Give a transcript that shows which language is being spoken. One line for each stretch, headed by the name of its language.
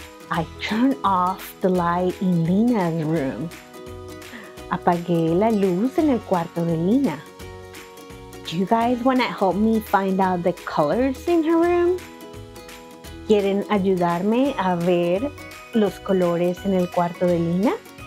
English: I turned off the light in Lina's room.
Spanish: Apagué la luz en el cuarto de Lina.
English: Do you guys want to help me find out the colors in her room?
Spanish: ¿Quieren ayudarme a ver los colores en el cuarto de Lina?